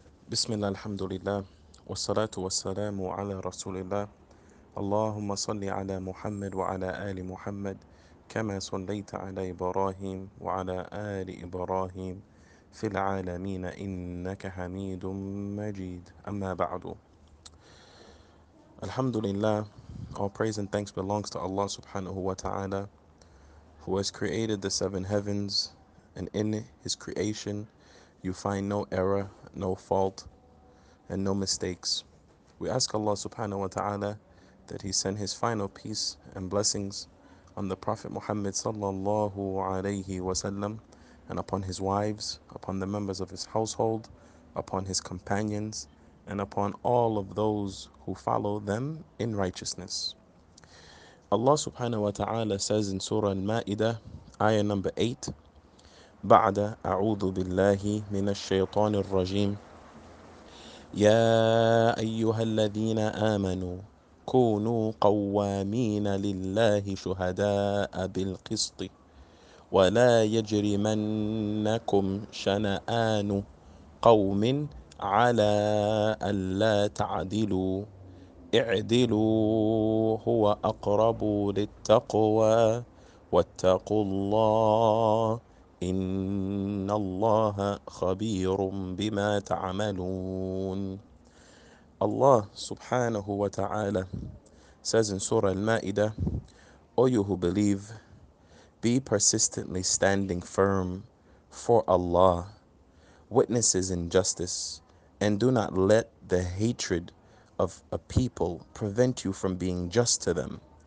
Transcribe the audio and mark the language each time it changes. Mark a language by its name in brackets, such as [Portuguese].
[Arabic] بسم الله الحمد لله والصلاة والسلام على رسول الله. اللهم صل على محمد وعلى آل محمد كما صليت على إبراهيم وعلى آل إبراهيم في العالمين إنك حميد مجيد. أما بعد، الحمد لله. [English] All praise and thanks belongs to Allah subhanahu wa ta'ala, who has created the seven heavens, and in his creation you find no error, no fault, and no mistakes. We ask Allah subhanahu wa ta'ala that he send his final peace and blessings on the Prophet Muhammad sallallahu alayhi wa sallam, and upon his wives, upon the members of his household, upon his companions, and upon all of those who follow them in righteousness. Allah subhanahu wa ta'ala says in Surah Al-Ma'idah, ayah number 8, [Arabic] بعد أعوذ بالله من الشيطان الرجيم يا أيها الذين آمنوا كونوا قوامين لله شهداء بالقسط ولا يجرمنكم شنآن قوم على ألا تعدلوا اعدلوا هو أقرب للتقوى واتقوا الله إن الله خبير بما تعملون. [English] Allah subhanahu wa ta'ala says in Surah Al-Ma'idah, O you who believe, be persistently standing firm for Allah, witnesses in justice, and do not let the hatred of a people prevent you from being just to them.